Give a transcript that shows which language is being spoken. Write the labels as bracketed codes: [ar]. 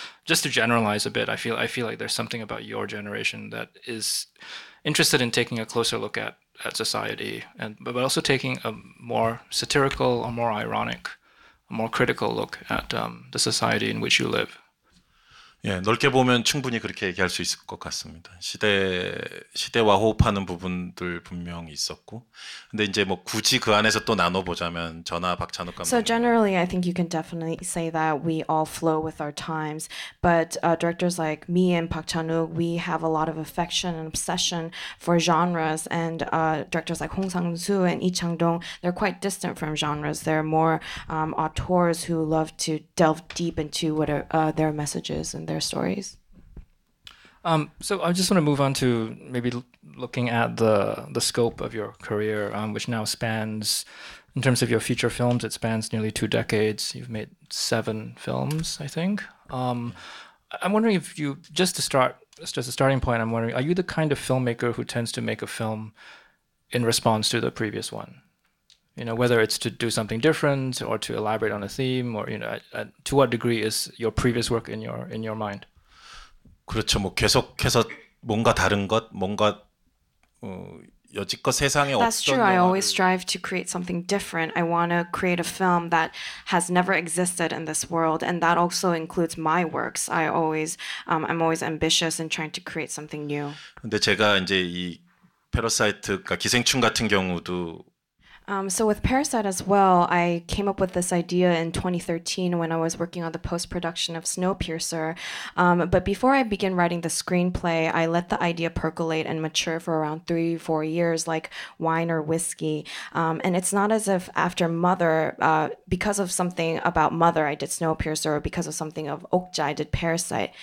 [en] Just to generalize a bit, I feel like there's something about your generation that is interested in taking a closer look at society, but also taking a more satirical, a more ironic, a more critical look at the society in which you live. [ko] 예, 넓게 보면 충분히 그렇게 얘기할 수 있을 것 같습니다. 시대와 호흡하는 부분들 분명 있었고, 근데 이제 뭐 굳이 그 안에서 또 나눠보자면 저나 박찬욱 감독. [en] So generally, I think you can definitely say that we all flow with our times. But directors like me and Park Chan-wook, we have a lot of affection and obsession for genres. And directors like Hong Sang-soo and Lee Chang-dong, they're quite distant from genres. They're more auteurs who love to delve deep into what are their messages. And their stories. So I just want to move on to maybe looking at the scope of your career, which now spans, in terms of your feature films, it spans nearly two decades. You've made 7 films, I think. I'm wondering if you, just to start, just as a starting point, I'm wondering, are you the kind of filmmaker who tends to make a film in response to the previous one? You know, whether it's to do something different or to elaborate on a theme, or you know, to what degree is your previous work in your mind? [ko] 그렇죠. 뭐 계속해서 뭔가 다른 것, 뭔가 여지껏 세상에 없던 [en] That's true. [ko] 영화를... [en] I always strive to create something different. I want to create a film that has never existed in this world, and that also includes my works. I always, I'm always ambitious in trying to create something new. [ko] 근데 제가 이제 이 패러사이트가 기생충 같은 경우도 [en] So with Parasite as well, I came up with this idea in 2013 when I was working on the post-production of Snowpiercer. But before I began writing the screenplay, I let the idea percolate and mature for around 3-4 years, like wine or whiskey. And it's not as if after Mother, because of something about Mother, I did Snowpiercer, or because of something of Okja, I did Parasite.